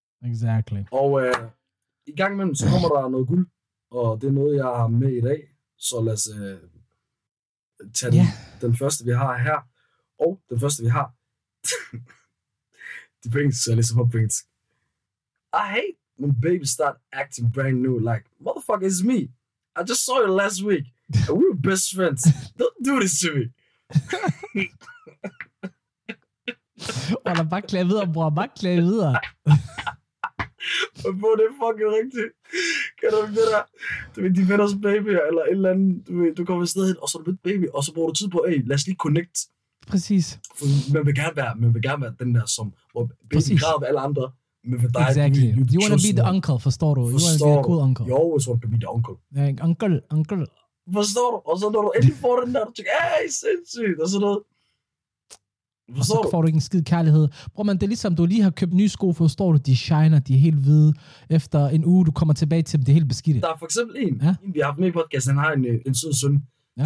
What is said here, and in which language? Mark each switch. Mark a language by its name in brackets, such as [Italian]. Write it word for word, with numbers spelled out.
[English] Exactly. [Danish] Og øh, i gang imellem, så kommer der noget guld, og det er noget, jeg har med i dag. Så lad os øh, tage den, yeah. den første, vi har her. Og den første, vi har. Det er på engelsk, så jeg læser på engelsk. [English] I hate when babies start acting brand new, like, motherfucker, it's me. I just saw you last week. And we were best friends. Don't do this to me. [Danish] Og der bare klæder videre, bror. Bare klæder videre. Og på det er fucking rigtigt. Kan du ikke det der? Du ved, de finder os babyer, eller et eller andet. Du, ved, du kommer et sted hen, og så er du med baby, og så bruger du tid på, hey, lad os lige connect. Præcis. For man vil gerne være, man vil gerne være den der, som hvor baby graver ved alle andre. Men for dig, [English] exactly. You, you want to be the uncle, [Danish] forstår du? [English] You want to be a cool uncle. You always want to be the uncle. Yeah, uncle, uncle. [Danish] Forstår du? Og så når du endelig får den der, du tænker, hey, sindssygt, og sådan noget. Og så får du ikke en skid kærlighed. Bror, men det er ligesom, du lige har købt nye sko, forstår du, de shiner, de er helt hvide. Efter en uge, du kommer tilbage til dem, det er helt beskidte. Der er for eksempel en, ja? en vi har haft med i podcasten, han har en, en sød søn, ja?